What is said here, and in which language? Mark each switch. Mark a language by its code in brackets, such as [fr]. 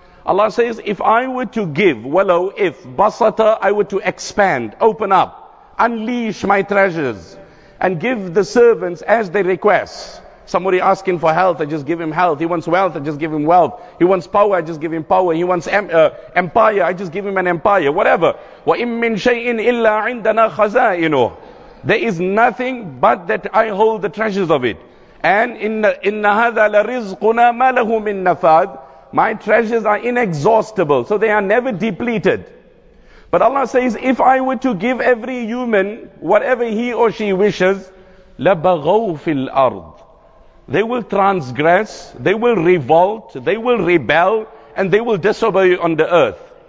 [en] Allah says, if I were to give, wallow, if, basata, I were to expand, open up, unleash my treasures, and give the servants as they request. Somebody asking for health, I just give him health. He wants wealth, I just give him wealth. He wants power, I just give him power. He wants empire, I just give him an empire. Whatever. [ar] وَإِن مِّن شَيْءٍ إِلَّا عِنْدَنَا خَزَائِنُهُ. [en] There is nothing but that I hold the treasures of it. [ar] And إِنَّ هَذَا لَرِزْقُنَا مَا لَهُ مِن نَفَادٍ. [en] My treasures are inexhaustible, so they are never depleted. But Allah says, if I were to give every human whatever he or she wishes, [ar] لَبَغَوْ فِي الْأَرْضِ. [en] They will transgress, they will revolt, they will rebel, and they will disobey on the earth.